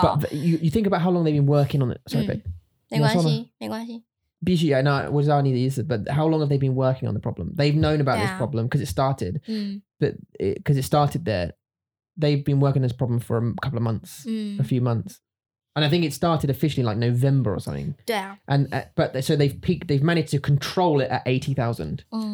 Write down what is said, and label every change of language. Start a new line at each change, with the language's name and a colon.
English: But you think about how long they've been working on it. Sorry, babe.
Chinese: 没关系，没关系。必须啊，那
English: what does that need to use? But how long have they been working on the problem? They've known about this problem because it started. But it started there. They've been working on this problem for a couple of months, a few months. And I think it started officially like November or something. Yeah. And so they've peaked. They've managed to control it at 80,000.